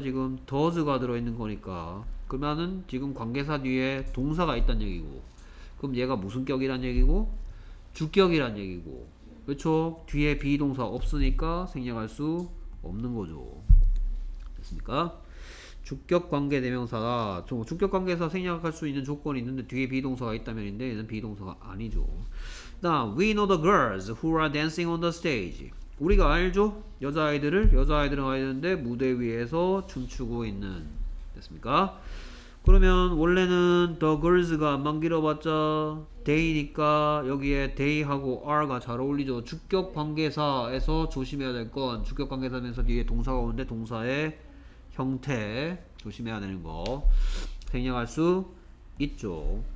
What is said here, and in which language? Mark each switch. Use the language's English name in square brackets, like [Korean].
[Korean] 지금 does가 들어있는 거니까 그러면은 지금 관계사 뒤에 동사가 있단 얘기고 그럼 얘가 무슨 격이란 얘기고? 주격이란 얘기고 그렇죠? 뒤에 비동사 없으니까 생략할 수 없는 거죠. 됐습니까? 주격관계대명사가 주격관계사 생략할 수 있는 조건이 있는데 뒤에 비동사가 있다면인데 얘는 비동사가 아니죠. 다음 [English] We know the girls who are dancing on the stage. [Korean] 우리가 알죠? 여자아이들을 여자아이들은 알겠는데 무대 위에서 춤추고 있는 됐습니까? 그러면 원래는 the girls가 안만 길어봤자 they니까 여기에 they하고 are가 잘 어울리죠. 주격관계사에서 조심해야 될 건 주격관계사면서 뒤에 동사가 오는데 동사의 형태 조심해야 되는 거 생략할 수 있죠.